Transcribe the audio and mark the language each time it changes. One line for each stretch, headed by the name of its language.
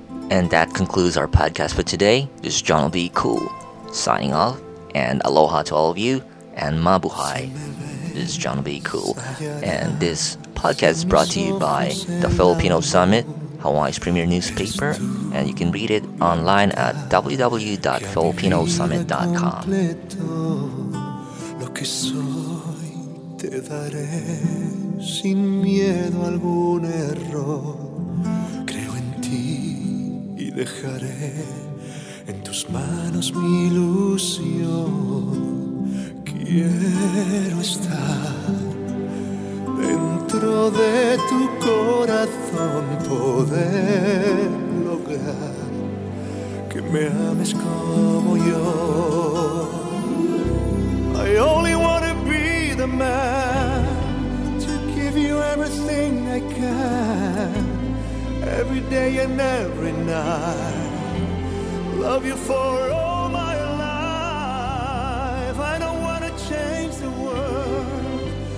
English: And that concludes our podcast for today. This is John B. Koo signing off, and aloha to all of you, and mabuhay. This is John B. Koo, and this podcast is brought to you by the Filipino Summit, Hawaii's premier newspaper, and you can read it online at www.filipinosummit.com.
Spanish: Lo que soy te daré sin miedo a algún error. Creo en ti y dejaré en tus manos mi ilusión. Quiero estar dentro de tu corazón, poder lograr que me ames como yo.
English: I only want to be the man to give you everything I can, every day and every night. Love you for all my life. I don't want to change the world.